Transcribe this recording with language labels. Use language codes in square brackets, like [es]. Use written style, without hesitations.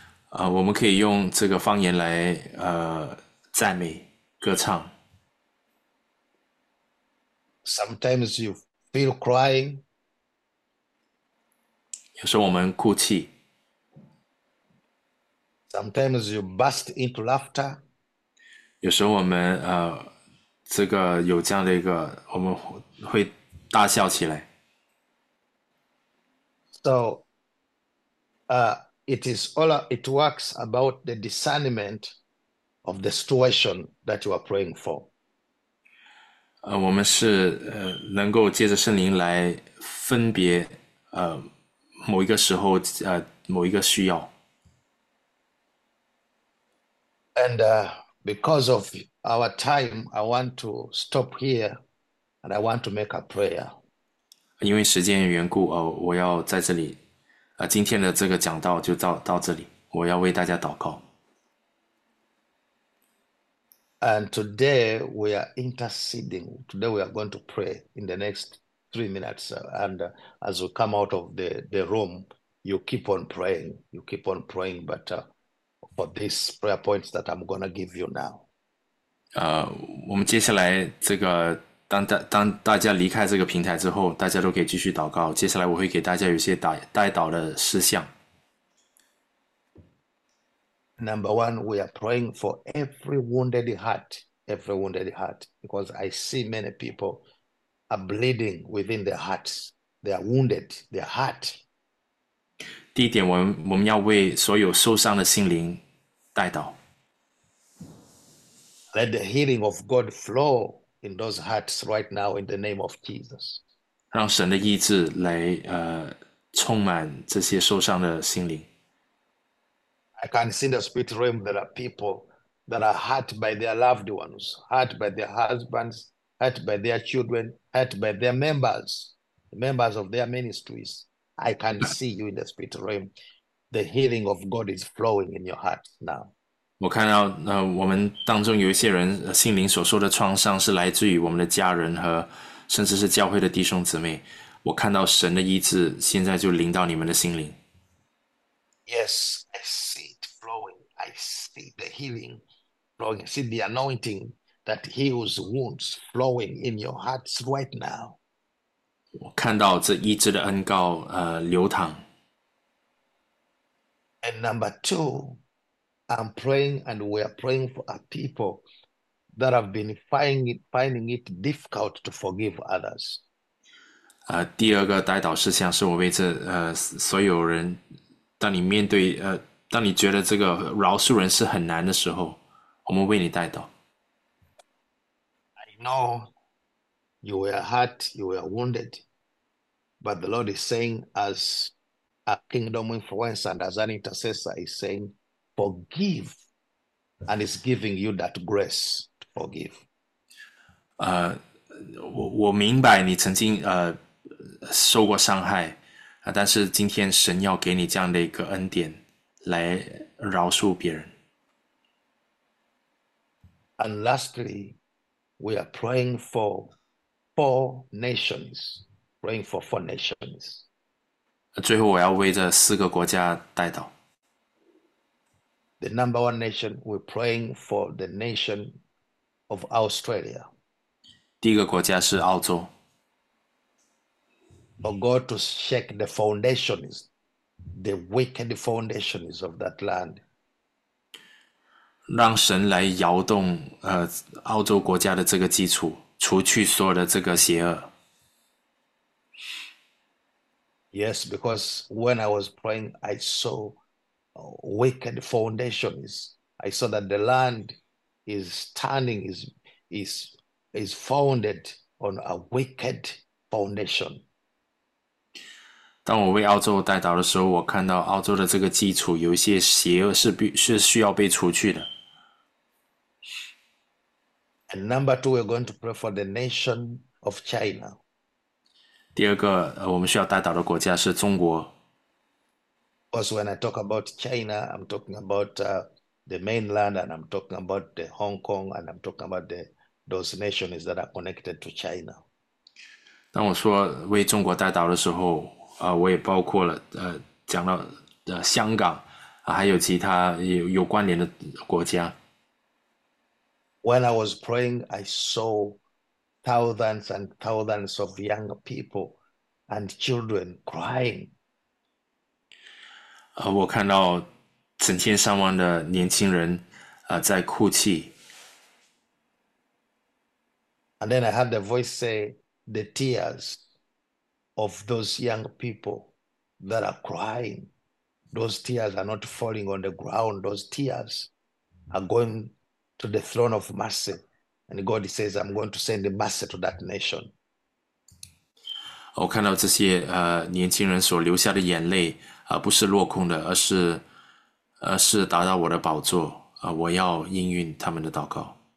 [zh] 我们可以用这个方言来赞美歌唱。 [en] Sometimes you feel crying. [zh] 有时候我们哭泣， [en] Sometimes you burst into laughter. [zh] 有时候我们这个有这样的一个，我们会大笑起来。 [en] So, it works about the discernment of the situation that you are praying for. [zh] 我们是能够借着圣灵来分别某一个时候，某一个需要。 [en] And because of our time, I want to stop here and I want to make a prayer. [zh] 因为时间缘故，我要在这里，今天的这个讲道就到这里，我要为大家祷告。 [en] And today we are interceding. Today we are going to pray in the next 3 minutes. And as we come out of the room, you keep on praying. You keep on praying, but for these prayer points that I'm going to give you now. [zh] 我们接下来这个，当大家离开这个平台之后，大家都可以继续祷告。接下来我会给大家有一些代祷的事项。 [en] Number 1, we are praying for every wounded heart, because I see many people are bleeding within their hearts. They are wounded, their heart. [zh] 第一点，我们要为所有受伤的心灵代祷。 [en] Let the healing of God flow in those hearts right now in the name of Jesus. [zh] 让神的医治来充满这些受伤的心灵。 [en] I can see in the spirit realm there are people that are hurt by their loved ones, hurt by their husbands, hurt by their children, hurt by their members of their ministries. I can see you in the spirit realm. The healing of God is flowing in your heart now. [zh] 我看到我们当中有一些人心灵所受的创伤是来自于我们的家人和甚至是教会的弟兄姊妹。我看到神的医治现在就临到你们的心灵。 [en] Yes, I see it flowing. I see the healing flowing. I see the anointing that heals wounds flowing in your hearts right now. [zh] 我看到这医治的恩膏流淌。 [en] And number 2, I'm praying and we are praying for our people that have been finding it difficult to forgive others. [zh] 第二个代祷事项是我为这所有人，当你面对当你觉得这个饶恕人是很难的时候，我们为你代祷。 [en] No, you were hurt, you were wounded, but the Lord is saying, as a kingdom influencer and as an intercessor, is saying, forgive, and is giving you that grace to forgive. [zh] 我明白你曾经受过伤害，但是今天神要给你这样的一个恩典，来饶恕别人。 [en] And lastly, we are praying for four nations, praying for four nations. [zh] 最后，我要为这四个国家代祷。 [en] The number 1 nation, we're praying for the nation of Australia. [zh] 第一个国家是澳洲。 [en] for God to shake the foundations, the wicked foundations of that land. [zh] 让神来摇动澳洲国家的这个基础，除去所有的这个邪恶。 [en] Yes, because when I was praying, I saw wicked foundations. I saw that the land is standing, is founded on a wicked foundation. [zh] 当我为澳洲代祷的时候，我看到澳洲的这个基础有一些邪恶是需要被除去的。 [en] And number two, we're going to pray for the nation of China. [zh] 第二个，我们需要代祷的国家是中国。 [en] Because when I talk about China, I'm talking about the mainland, and I'm talking about the Hong Kong, and I'm talking about those nations that are connected to China. [zh] 当我说为中国代祷的时候，我也包括了，讲到香港，还有其他有关联的国家。 [en] When I was praying, I saw thousands and thousands of young people and children crying. [zh] 我看到成千上万的年轻人，在哭泣。 [en] And then I heard the voice say, the tears of those young people that are crying, those tears are not falling on the ground. Those tears are going to the throne of mercy. And God says, I'm going to send mercy to that nation. [zh] 我看到这些年轻人所流下的眼泪不是落空的，而是达到我的宝座我要应允他们的祷告。